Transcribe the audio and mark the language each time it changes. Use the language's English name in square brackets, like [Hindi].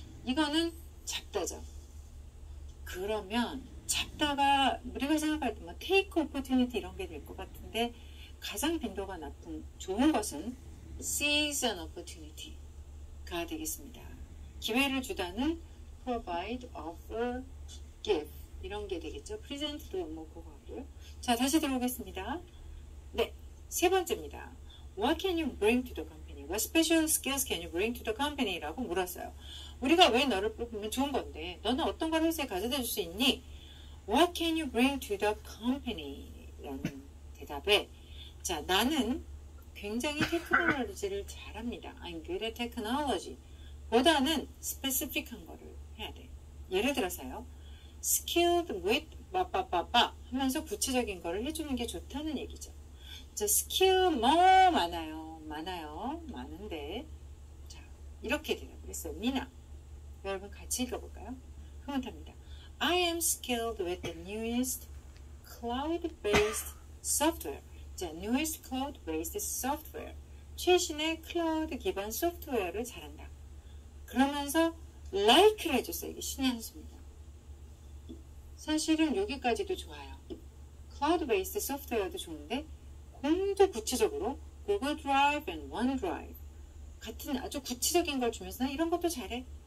[Korean] 이거는 잡다죠. 그러면 잡다가 우리가 생각할 때 뭐 [English] take opportunity [Korean] 이런 게 될 것 같은데 가장 빈도가 높은 좋은 것은 [English] seize an opportunity [Korean] 가 되겠습니다. 기회를 주다는 provide, offer, give 이런 게 되겠죠. present도 뭐 그거 하고요. 자, 다시 들어보겠습니다. 네, 세 번째입니다. [English] What can you bring to the company? What special skills can you bring to the company? [Korean] 라고 물었어요. 우리가 왜 너를 뽑으면 좋은 건데 너는 어떤 걸 회사에 가져다 줄 수 있니? [English] What can you bring to the company? [Korean] 라는 대답에 자, 나는 굉장히 테크놀로지를 잘합니다. [English] I'm good at technology. [Korean] 보다는 스페시픽한 거를 해야 돼. 예를 들어서요. Skilled with 빠빠빠빠 하면서 구체적인 거를 해주는 게 좋다는 얘기죠. 자, skill 뭐 많아요. 많아요. 많은데 자, 이렇게 대답을 했어요. 미나. 여러분 같이 읽어볼까요? 흐뭇합니다. [English] I am skilled with the newest cloud-based software. 자, newest cloud-based software. [Korean] 최신의 클라우드 기반 소프트웨어를 잘한다. 그러면서 like를 해줬어요. 이게 신의 한 수입니다. 사실은 여기까지도 좋아요. cloud-based software도 좋은데 공도 구체적으로 Google Drive and OneDrive 같은 아주 구체적인 걸 주면서 이런 것도 잘해.